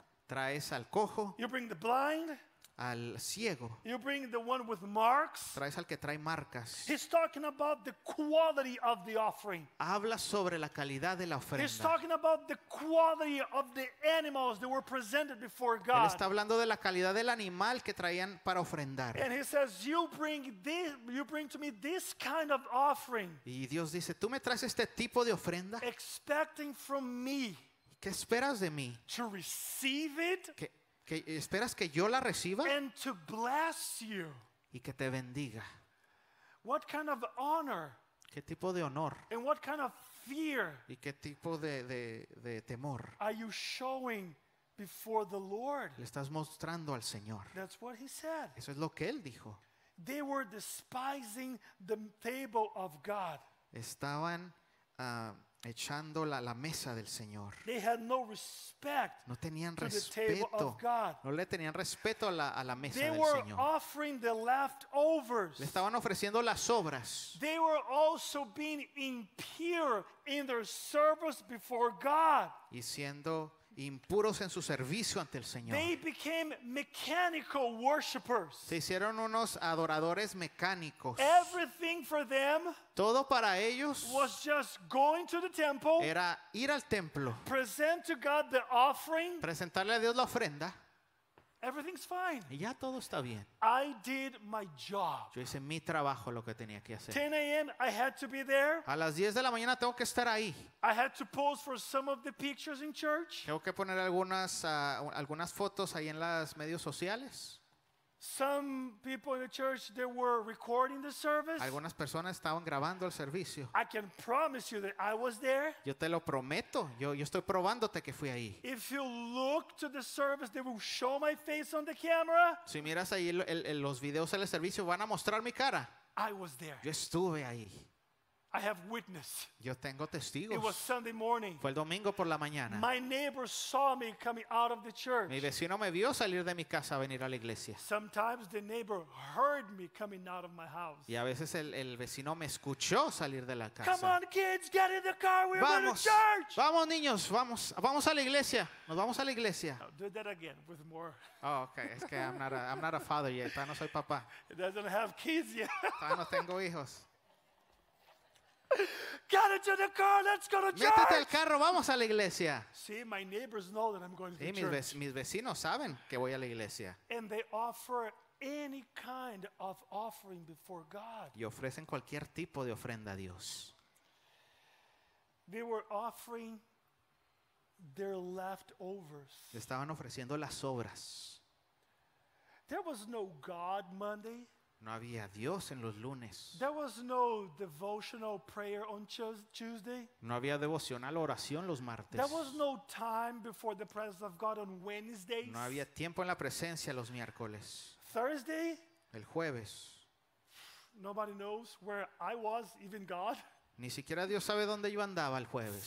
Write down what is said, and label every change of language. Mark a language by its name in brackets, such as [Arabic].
[Spanish] traes al cojo, [English] you bring the blind, [Spanish] al ciego. [English] You bring the one with marks. [Spanish] Traes al que trae marcas. [English] He's talking about the quality of the offering. [Spanish] Habla sobre la calidad de la ofrenda. [English] He's talking about the quality of the animals that were presented before God. [Spanish] Él está hablando de la calidad del animal que traían para ofrendar. [English] And he says, you bring to me this kind of offering. [Spanish] Y Dios dice, tú me traes este tipo de ofrenda. [English] Expecting from me. [Spanish] ¿Qué esperas de mí? [English] To receive it. [Spanish] ¿Que esperas que yo la reciba? [English] And to bless you. [Spanish] Y que te bendiga. [English] What kind of honor? [Spanish] ¿Qué tipo de honor? [English] And what kind of fear? [Spanish] ¿Y qué tipo de temor? [English] Are you showing before the Lord? [Spanish] ¿Le estás mostrando al Señor? [English] That's what he said. [Spanish] Eso es lo que él dijo. [English] They were despising the table of God. [Spanish] Estaban echando la mesa del Señor. [English] They had no respect. [Spanish] No tenían respeto. No le tenían respeto a la mesa [English] they [Spanish] del [English] were [Spanish] Señor. [English] Offering the leftovers. [Spanish] Le estaban ofreciendo las sobras. [English] They were also being impure in their service before God. [Spanish] Y siendo impuros en su servicio ante el Señor. [English] They became mechanical worshipers. [Spanish] Se hicieron unos adoradores mecánicos. [English] Everything for them. [Spanish] Todo para ellos. [English] Was just going to the temple. [Spanish] Era ir al templo. [English] Present to God the offering. [Spanish] Presentarle a Dios la ofrenda. [English] Everything's fine. [Spanish] Y ya todo está bien. [English] I did my job. [Spanish] Yo hice mi trabajo, lo que tenía que hacer. [English] 10 a.m. I had to be there. [Spanish] A las 10 de la mañana tengo que estar ahí. [English] I had to pose for some of the pictures in church. [Spanish] Tengo que poner algunas fotos ahí en las medios sociales. [English] Some people in the church they were recording the service. [Spanish] Algunas personas estaban grabando el servicio. [English] I can promise you that I was there. [Spanish] Yo te lo prometo. Yo estoy probándote que fui ahí. [English] If you look to the service, they will show my face on the camera. [Spanish] Si miras ahí los videos del servicio, van a mostrar mi cara. [English] I was there. [Spanish] Yo estuve ahí. [English] I have witness. [Spanish] Yo tengo testigos. [English] It was Sunday morning. [Spanish] Fue el domingo por la mañana. [English] My neighbor saw me coming out of the church. [Spanish] Mi vecino me vio salir de mi casa a venir a la iglesia. [English] Sometimes the neighbor heard me coming out of my house. [Spanish] Y a veces el vecino me escuchó salir de la casa. [English] Come on, kids, get in the car. We're going to church. [Spanish] Vamos, niños, vamos a la iglesia. Nos vamos a la iglesia. [English] I'll do that again with more. Oh, okay. [Spanish] Es que [English] I'm not a father yet. [Spanish] No soy papá. [English] It doesn't have kids yet. [Spanish] No tengo hijos. [English] Get into the car. Let's go to church. [Spanish] Métete al carro, vamos a la iglesia. [English] See, my neighbors know that I'm going to the church. [Spanish] Sí, mis vecinos saben que voy a la iglesia. [English] And they offer any kind of offering before God. [Spanish] Y ofrecen cualquier tipo de ofrenda a Dios. [English] They were offering their leftovers. [Spanish] Estaban ofreciendo las sobras. [English] There was no God Monday. [Spanish] No había Dios en los lunes. [English] There was no devotional prayer on Tuesday. [Spanish] No había devocional oración los martes. [English] There was no time before the presence of God on Wednesdays. [Spanish] No había tiempo en la presencia los miércoles. [English] Thursday. [Spanish] El jueves. [English] Nobody knows where I was, even God. [Spanish] Ni siquiera Dios sabe dónde yo andaba el jueves.